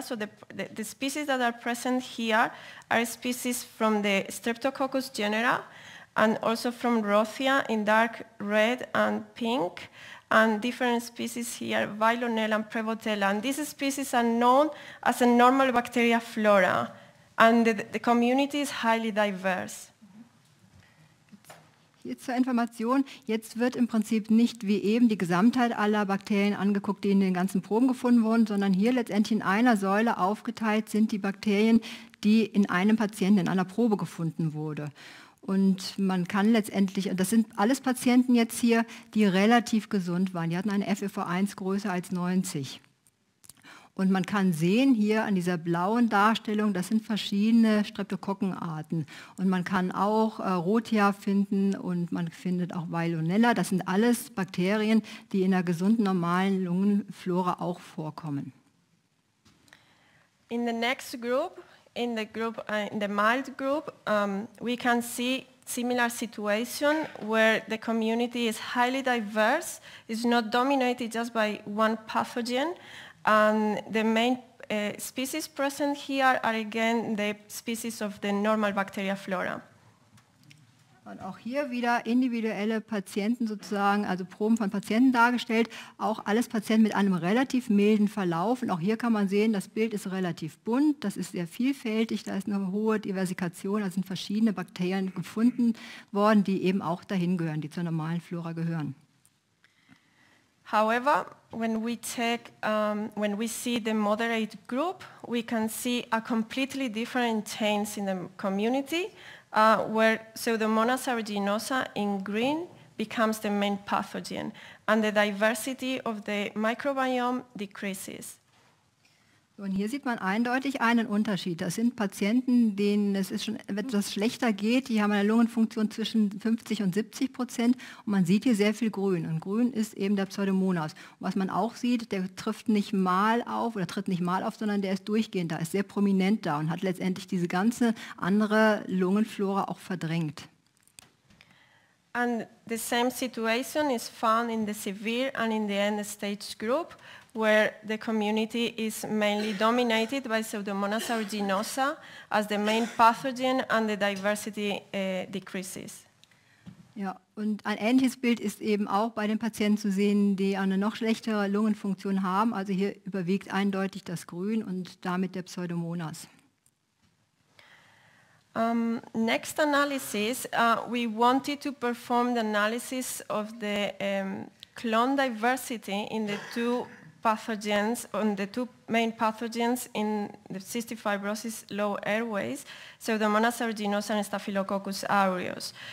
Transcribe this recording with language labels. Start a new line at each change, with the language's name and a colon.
English: So the species that are present here are species from the Streptococcus genera, and also from Rothia in dark red and pink, and different species here, Vilonella and Prevotella. And these species are known as a normal bacteria flora, and the community is highly diverse.
German: Jetzt zur Information, jetzt wird im Prinzip nicht wie eben die Gesamtheit aller Bakterien angeguckt, die in den ganzen Proben gefunden wurden, sondern hier letztendlich in einer Säule aufgeteilt sind die Bakterien, die in einem Patienten in einer Probe gefunden wurde. Und man kann letztendlich, das sind alles Patienten jetzt hier, die relativ gesund waren. Die hatten eine FEV1 größer als 90. Und man kann sehen hier an dieser blauen Darstellung, das sind verschiedene Streptokokkenarten. Und man kann auch Rothia finden und man findet auch Vilonella. Das sind alles Bakterien, die in der gesunden, normalen Lungenflora auch vorkommen.
English: In the next group, in the mild group, we can see similar situation where the community is highly diverse, is not dominated just by one pathogen, and the main species present here are again the species of the normal bacteria flora.
German: Und auch hier wieder individuelle Patienten sozusagen, also Proben von Patienten dargestellt, auch alles Patienten mit einem relativ milden Verlauf. Und auch hier kann man sehen, das Bild ist relativ bunt, das ist sehr vielfältig, da ist eine hohe Diversifikation, da sind verschiedene Bakterien gefunden worden, die eben auch dahin gehören, die zur normalen Flora gehören.
English: However, when we check, when we see the moderate group, we can see a completely different change in the community. Where Pseudomonas aeruginosa in green becomes the main pathogen and the diversity of the microbiome decreases.
German: Und hier sieht man eindeutig einen Unterschied. Das sind Patienten, denen es ist schon etwas schlechter geht. Die haben eine Lungenfunktion zwischen 50% und 70%. Und man sieht hier sehr viel Grün. Und Grün ist eben der Pseudomonas. Und was man auch sieht, der trifft nicht mal auf oder tritt nicht mal auf, sondern der ist durchgehend da, ist sehr prominent da und hat letztendlich diese ganze andere Lungenflora auch verdrängt.
English: And the same situation is found in the severe and in the end stage group, where the community is mainly dominated by Pseudomonas aeruginosa as the main pathogen and the diversity decreases.
German: Ja, und ein ähnliches Bild ist eben auch bei den Patienten zu sehen, die eine noch schlechtere Lungenfunktion haben. Also hier überwiegt eindeutig das Grün und damit der Pseudomonas.
English: Next analysis, we wanted to perform the analysis of the clone diversity in the two pathogens, on the two main pathogens in the cystic fibrosis low airways, Pseudomonas aeruginosa and Staphylococcus aureus.